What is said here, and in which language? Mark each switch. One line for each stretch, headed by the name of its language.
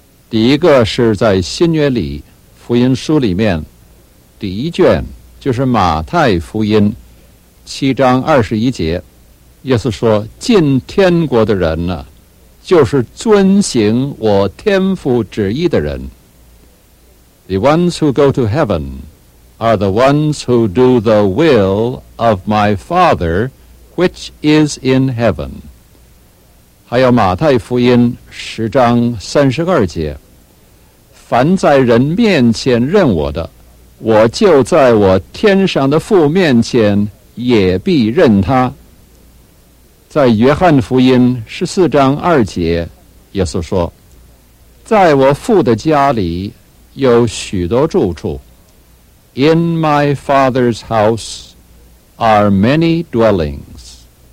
Chinese: 第一个是在新约里福音书里面第一卷，就是马太福音7章21节，耶稣说，进天国的人呢、就是遵行我天父旨意的人。
English: The ones who go to heaven are the ones who do the will of my Father which is in heaven。
Chinese: 还有马太福音10章32节，凡在人面前认我的，我就在我天上的父面前也必认他。在约翰福音14章2节，耶稣说，在我父的家里有许多住处，
English: In my father's house are many dwellings。